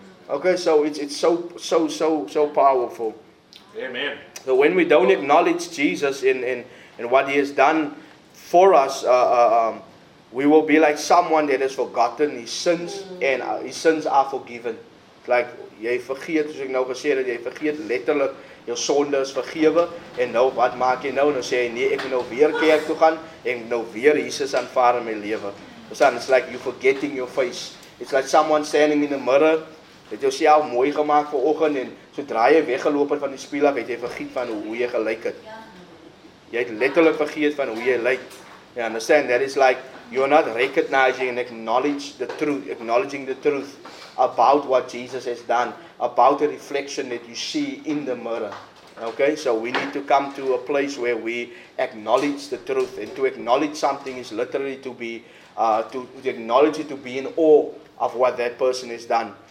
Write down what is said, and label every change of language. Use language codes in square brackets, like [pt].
[en] Okay, so it's so powerful. Amen. So when we don't acknowledge Jesus in what He has done for us, we will be like someone that has forgotten His sins, and His sins are forgiven. [af] Like, jy vergeet, soos ek nou gesê het, jy vergeet letterlik, jou sonde is vergewe, en nou wat maak jy nou? Nou sê jy, nee, ek moet nou weer kerk toe gaan, en nou weer Jesus aanvaar in my lewe. [en] It's like you forgetting your face. It's like someone standing in the mirror, [af] het jou self mooi gemaakt vir oggend, en sodra jy weggeloop het van die spieel af, het jy vergeet van hoe jy gelyk het. Jy het letterlik vergeet van hoe jy lyk. [en] You understand? That is like, you're not recognizing and acknowledging the truth about what Jesus has done, about the reflection that you see in the mirror. Okay, so we need to come to a place where we acknowledge the truth. And to acknowledge something is literally to acknowledge it, to be in awe of what that person has done.